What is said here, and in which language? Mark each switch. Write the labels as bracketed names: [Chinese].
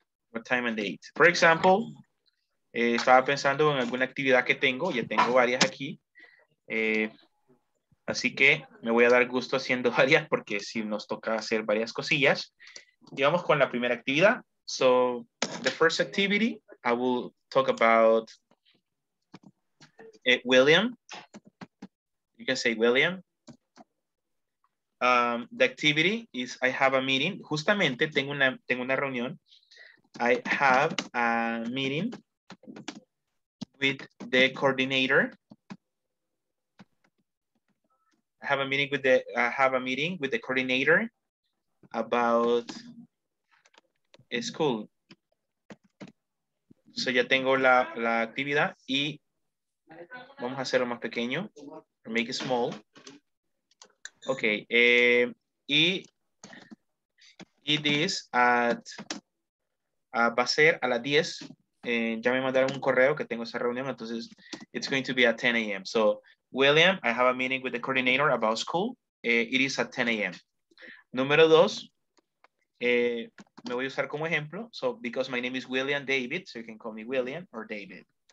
[English] What time and date? For example, [Spanish] estaba pensando en alguna actividad que tengo. Ya tengo varias aquí. Así que me voy a dar gusto haciendo varias porque si nos toca hacer varias cosillas. Y vamos con la primera actividad. [English] So, the first activity, I will talk about William. You can say William. The activity is I have a meeting. [Spanish] Justamente tengo una reunión. [English] I have a meeting with the coordinator. I have a meeting with the coordinator about a school. [Spanish] So ya tengo la actividad y vamos a hacerlo más pequeño. [English] Make it small. Okay. It is at... [Spanish] va a ser a las 10. Ya me mandaron un correo que tengo esa reunión. [English] Entonces, it's going to be at 10 a.m. So, William, I have a meeting with the coordinator about school. It is at 10 a.m. [Spanish] Número dos. Me voy a usar como ejemplo. [English] So, because my name is William David, so you can call me William or David.